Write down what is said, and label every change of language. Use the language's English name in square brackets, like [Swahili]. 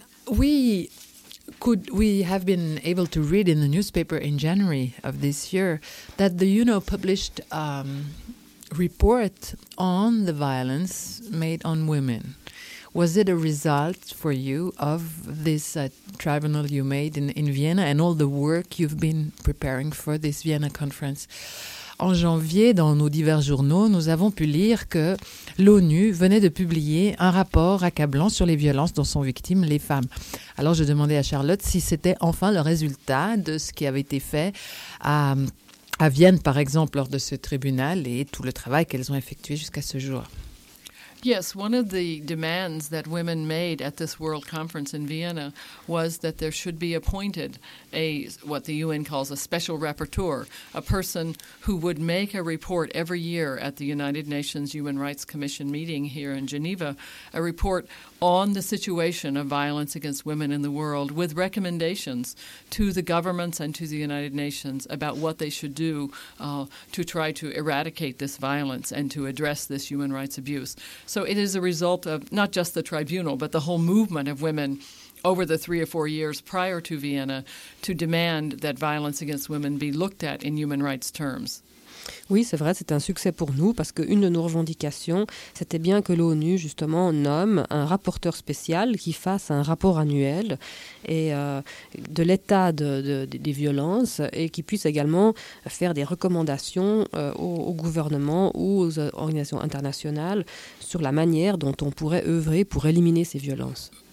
[English] We have been able to read in the newspaper in January of this year that the UNO published a report on the violence made on women. Was it a result for you of this tribunal you made in Vienna and all the work you've been preparing for this Vienna conference? [French] En janvier, dans nos divers journaux, nous avons pu lire que l'ONU venait de publier un rapport accablant sur les violences dont sont victimes les femmes. Alors je demandais à Charlotte si c'était enfin le résultat de ce qui avait été fait à Vienne, par exemple, lors de ce tribunal et tout le travail qu'elles ont effectué jusqu'à ce jour. [English] Yes, one of the demands that women made at this World Conference in Vienna was that there should be appointed what the UN calls a special rapporteur, a person who would make a report every year at the United Nations Human Rights Commission meeting here in Geneva, a report on the situation of violence against women in the world with recommendations to the governments and to the United Nations about what they should do to try to eradicate this violence and to address this human rights abuse. So it is a result of not just the tribunal, but the whole movement of women over the 3 or 4 years prior to Vienna to demand that violence against women be looked at in human rights terms. [French] Oui, c'est vrai, c'est un succès pour nous parce qu'une de nos revendications, c'était bien que l'ONU, justement, nomme un rapporteur spécial qui fasse un rapport annuel et, de l'état des violences et qui puisse également faire des recommandations au gouvernement ou aux organisations internationales sur la manière dont on pourrait œuvrer pour éliminer ces violences.